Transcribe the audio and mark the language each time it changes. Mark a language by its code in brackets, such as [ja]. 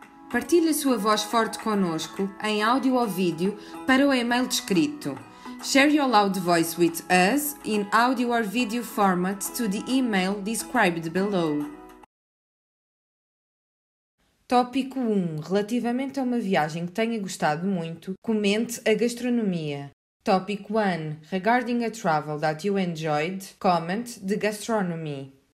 [pt] Partilhe a sua voz forte connosco em áudio ou vídeo para o e-mail descrito. [en] Share your loud voice with us in audio or video format to the email described below. [pt] Tópico 1. Relativamente a uma viagem que tenha gostado muito, comente a gastronomia. [en] Topic 1. Regarding a travel that you enjoyed, comment the gastronomy.